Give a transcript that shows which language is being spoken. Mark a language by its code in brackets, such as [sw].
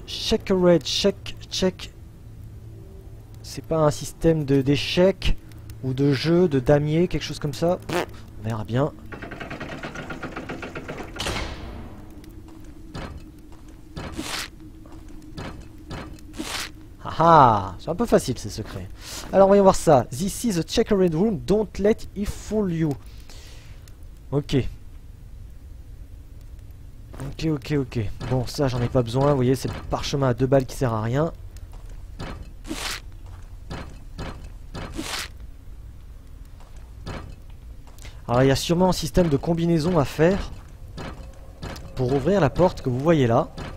[en] Check a red, check, check. [fr] C'est pas un système d'échecs ou de jeu, de damier, quelque chose comme ça. On verra bien. Ah, c'est un peu facile ces secrets. Alors voyons voir ça. [en] This is a checkered room, don't let it fool you. Ok. Ok, ok, ok. [fr] Bon, ça j'en ai pas besoin, vous voyez, c'est le parchemin à deux balles qui sert à rien. Alors il y a sûrement un système de combinaison à faire pour ouvrir la porte que vous voyez là.